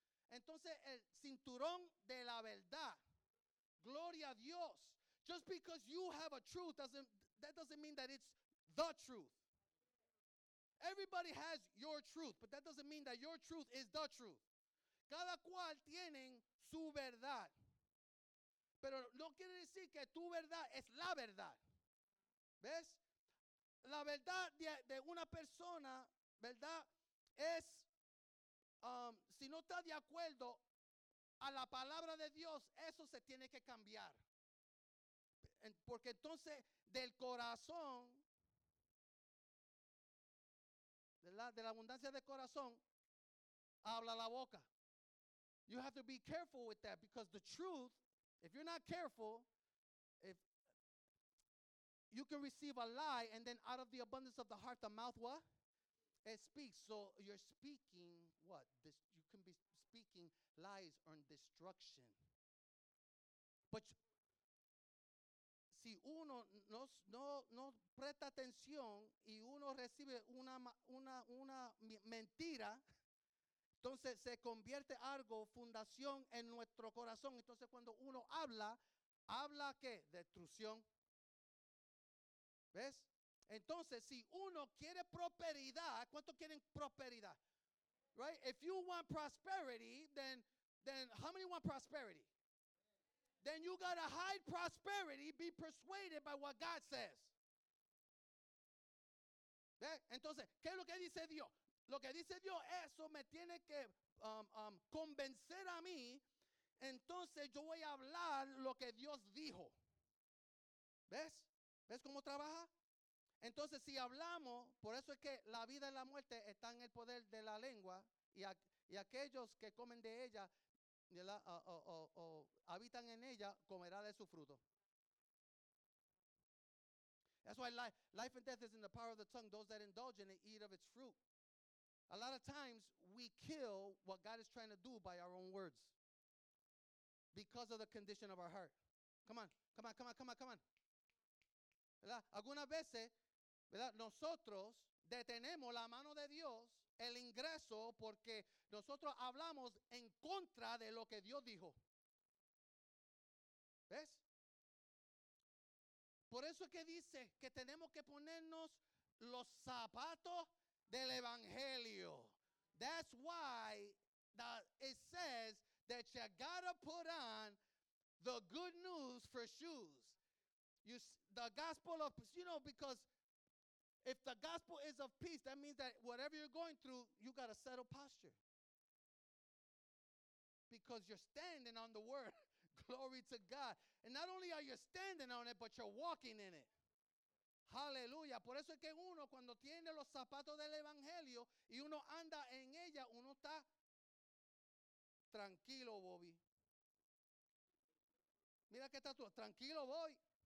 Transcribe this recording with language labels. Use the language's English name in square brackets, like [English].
[Spanish] Entonces, el cinturón de la verdad. Gloria a Dios. [English] Just because you have a truth, that doesn't mean that it's the truth. Everybody has your truth, but that doesn't mean that your truth is the truth. [Spanish] Cada cual tiene su verdad. Pero no quiere decir que tu verdad es la verdad. ¿Ves? La verdad de una persona, ¿verdad? Es, si no está de acuerdo a la palabra de Dios, eso se tiene que cambiar. Porque entonces, del corazón, ¿verdad? De la abundancia del corazón, habla la boca. [English] You have to be careful with that, because the truth, if you're not careful, if you can receive a lie, and then out of the abundance of the heart, the mouth what? It speaks. So you're speaking what? This, you can be speaking lies or destruction. [Spanish] But si uno no presta atención y uno recibe una mentira, entonces se convierte algo, fundación en nuestro corazón. Entonces cuando uno habla ¿qué? Destrucción. ¿Ves? Entonces si uno quiere prosperidad, ¿cuánto quieren prosperidad? [English] Right? If you want prosperity, then how many want prosperity? Then you gotta hide prosperity, be persuaded by what God says. [Spanish] ¿Ves? Entonces, ¿qué es lo que dice Dios? Lo que dice Dios, eso me tiene que convencer a mí. Entonces yo voy a hablar lo que Dios dijo. ¿Ves? ¿Ves cómo trabaja? Entonces si hablamos, por eso es que la vida y la muerte están en el poder de la lengua. Y aquellos que comen de ella o habitan en ella, comerá de su fruto. [English] That's why life and death is in the power of the tongue. Those that indulge in it eat of its fruit. A lot of times we kill what God is trying to do by our own words because of the condition of our heart. Come on. [Spanish] ¿Verdad? Algunas veces, ¿verdad? Nosotros detenemos la mano de Dios, el ingreso, porque nosotros hablamos en contra de lo que Dios dijo. ¿Ves? Por eso es que dice que tenemos que ponernos los zapatos del evangelio. [English] That's why it says that you gotta put on the good news for shoes. The gospel of, because if the gospel is of peace, that means that whatever you're going through, you got a settled posture. Because you're standing on the word. Glory to God. And not only are you standing on it, but you're walking in it. Hallelujah. [Spanish] Por eso es que uno, cuando tiene los zapatos del evangelio y uno anda en ella, uno está tranquilo, Bobby. Mira que está tú. Tranquilo, voy.